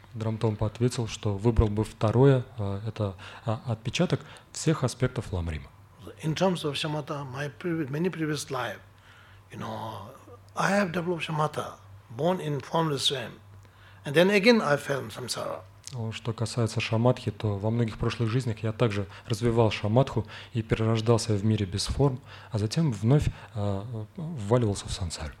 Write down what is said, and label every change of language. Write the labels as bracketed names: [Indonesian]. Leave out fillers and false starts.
[Russian] Драм Томпа ответил, что выбрал бы второе, это отпечаток всех аспектов Ламрима. [English] In terms of Shamatha, my many previous life, you know, I have developed Shamatha, born in formless realm, and then again I fell in samsara. [Russian] Что касается Шамадхи, то во многих прошлых жизнях я также развивал Шамадху и перерождался в мире без форм, а затем вновь вваливался в сансару.